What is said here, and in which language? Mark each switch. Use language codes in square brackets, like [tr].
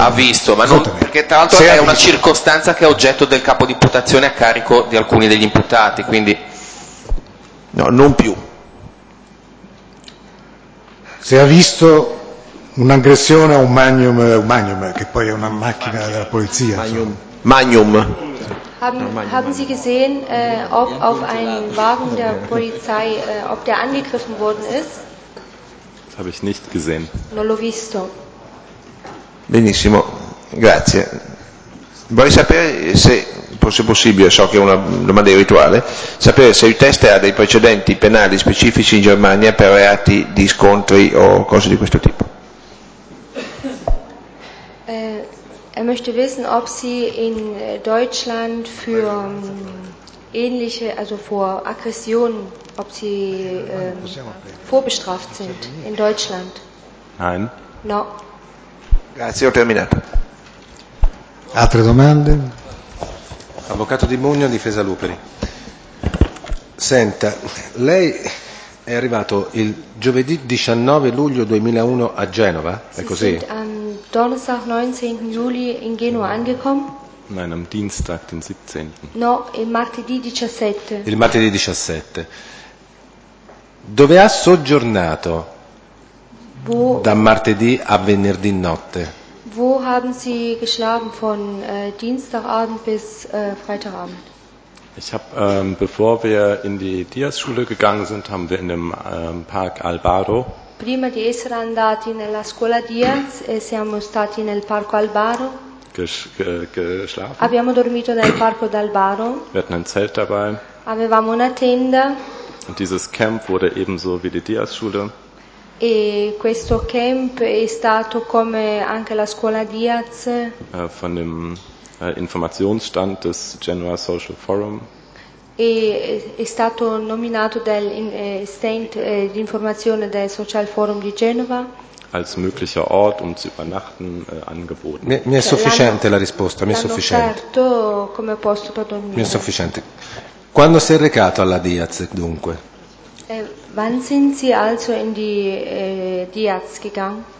[it] Ha visto, ma non, perché tra l'altro se è una circostanza che è oggetto del capo di imputazione a carico di alcuni degli imputati, quindi. No, non più. Se ha visto un'aggressione a un magnum, che poi è una macchina della polizia. Magnum. Magnum. [de] Haben Sie gesehen, ob auf einen Wagen der Polizei, ob der angegriffen worden ist? Das habe ich nicht gesehen. [it] Non l'ho visto. Benissimo, grazie. Vorrei sapere se, fosse possibile, so che è una domanda rituale, sapere se il test ha dei precedenti penali specifici in Germania per reati di scontri o cose di questo tipo. [de] Er möchte wissen, ob Sie in Deutschland für ähnliche, also vor Aggressionen, ob Sie vorbestraft sind in Deutschland. Nein. [it] No. Grazie, ho terminato. Altre domande? Avvocato Di Bugno, difesa Luperi. Senta, lei è arrivato il giovedì 19 luglio 2001 a Genova, è così? [de] Donnerstag 19. Juli in Genova angekommen? Nein, am Dienstag den 17. [it] No, il martedì 17. Il martedì 17. Dove ha soggiornato? [de] Wo? [it] Da martedì a venerdì notte. [de] Wo haben Sie geschlafen von Dienstagabend bis Freitagabend? Ich habe, bevor wir in die Diaz-Schule gegangen sind, haben wir in dem Park Albaro. [it] Prima di essere andati nella scuola Diaz e siamo stati nel Parco Albaro. [de] Geschlafen. [it] Abbiamo dormito nel Parco d'Albaro. [de] Wir hatten ein Zelt dabei. [it] Avevamo una tenda. [de] Und dieses Camp wurde ebenso wie die Diaz-Schule. [it] E questo camp è stato come anche la scuola Diaz. [de] Von dem Informationsstand des Genoa Social Forum. [it] E è stato nominato del stand di informazione del Social Forum di Genova. [de] Als möglicher Ort, um zu übernachten, angeboten. [it] Mi è sufficiente la risposta, mi è sufficiente. Certo, come posto per dormire. Mi è sufficiente. Quando sei recato alla Diaz, dunque? [de] Wann sind Sie also in die Diaz gegangen?